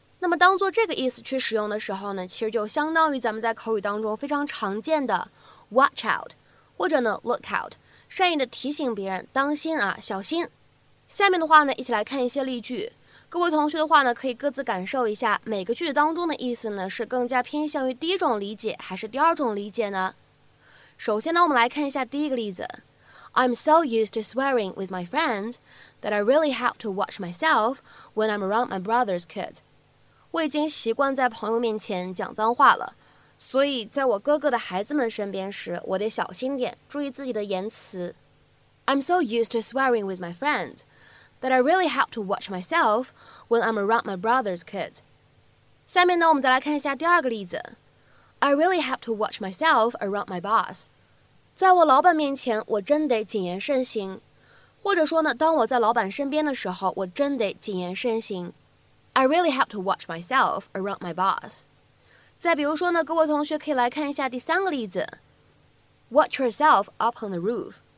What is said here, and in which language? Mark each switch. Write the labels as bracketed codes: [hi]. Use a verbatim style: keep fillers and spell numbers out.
[zh] 那么当做这个意思去使用的时候呢，其实就相当于咱们在口语当中非常常见的 [en] watch out [zh] 或者呢 [en] look out， [zh] 善意的提醒别人当心啊，小心。下面的话呢，一起来看一些例句，各位同学的话呢，可以各自感受一下每个句子当中的意思呢，是更加偏向于第一种理解还是第二种理解呢？首先呢，我们来看一下第一个例子。 [en] I'm so used to swearing with my friends that I really have to watch myself when I'm around my brother's kid. [zh] 我已经习惯在朋友面前讲脏话了，所以在我哥哥的孩子们身边时，我得小心点，注意自己的言辞。 [en] I'm so used to swearing with my friends. That I really have to watch myself when I'm around my brother's kid. [zh] 下面呢，我们再来看一下第二个例子。 [en] I really have to watch myself around my boss. [zh] 在我老板面前，我真得谨言慎行。或者说呢，当我在老板身边的时候，我真得谨言慎行。 [en] I really have to watch myself around my boss. [zh] 再比如说呢，各位同学可以来看一下第三个例子 ， [en] Watch yourself up on the roof。